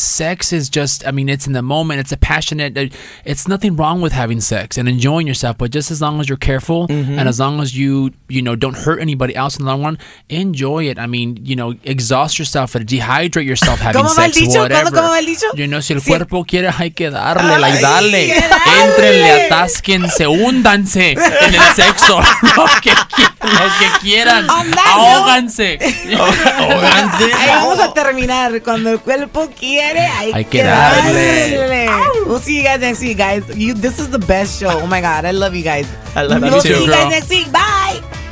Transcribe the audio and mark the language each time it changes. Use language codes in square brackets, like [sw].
[en] Sex is just, I mean, it's in the moment. It's a passionate, it's nothing wrong with having sex and enjoying yourself, but just as long as you're careful and as long as you, you know, don't hurt anybody else in the long run, enjoy it. I mean, you know, exhaust yourself, dehydrate yourself having sex. [es] Yo no, si el cuerpo quiere, hay que darle, like, dale. Entrenle, atásquense, húndanse en el sexo. Lo que quieran. Ahóganse. Ahóganse. Ahí vamos a terminar. Cuando el cuerpo quiere, hay que darle. [en] We'll see you guys next week, guys. This is the best show. Oh my God, I love you guys. I love you too. We'll see you guys next week. Bye.